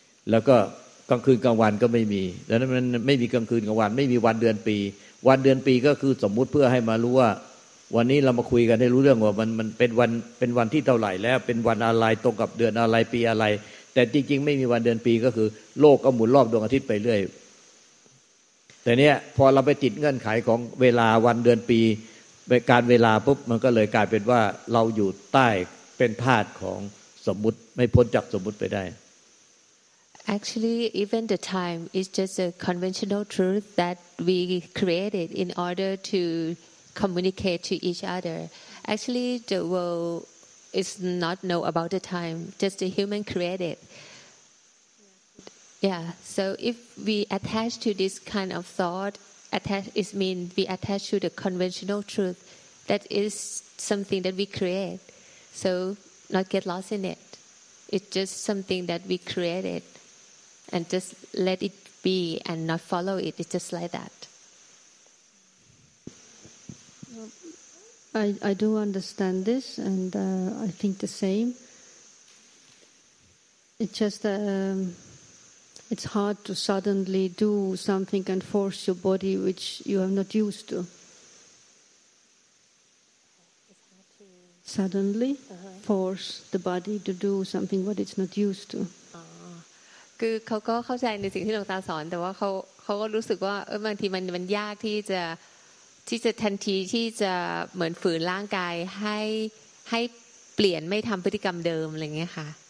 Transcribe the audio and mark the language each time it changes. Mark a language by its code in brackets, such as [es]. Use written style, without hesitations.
[th] แล้วก็กลางคืนกลางวันก็ไม่มีแล้วนั้นไม่มีกลางคืนกลางวันไม่มีวันเดือนปีวันเดือนปีก็คือสมมุติเพื่อให้มารู้ว่าวันนี้เรามาคุยกันให้รู้เรื่องว่ามันเป็นวันที่เท่าไหร่แล้วเป็นวันอะไรตรงกับเดือนอะไรปีอะไรแต่จริงๆไม่มีวันเดือนปีก็คือโลกก็หมุนรอบดวงอาทิตย์ไปเรื่อยแต่เนี้ยพอเราไปติดเงื่อนไขของเวลาวันเดือนปีการเวลาปุ๊บมันก็เลยกลายเป็นว่าเราอยู่ใต้เป็นทาสของสมมุติไม่พ้นจากสมมุติไปได้ [en] Actually, even the time is just a conventional truth that we created in order to communicate to each other. Actually, the world is not know about the time, just the human created. Yeah, so if we attach to this kind of thought, it means we attach to the conventional truth that is something that we create. So not get lost in it. It's just something that we created. And just let it be and not follow it. It's just like that. I do understand this, and I think the same. It's just it's hard to suddenly do something and force your body, which you are not used to. Suddenly force the body to do something what it's not used to. [th] คือเขาก็เข้าใจในสิ่งที่หลวงตาสอนแต่ว่าเขาก็รู้สึกว่าบางทีมันยากที่จะทันทีที่จะเหมือนฝืนร่างกายให้เปลี่ยนไม่ทำพฤติกรรมเดิมอะไรเงี้ยค่ะ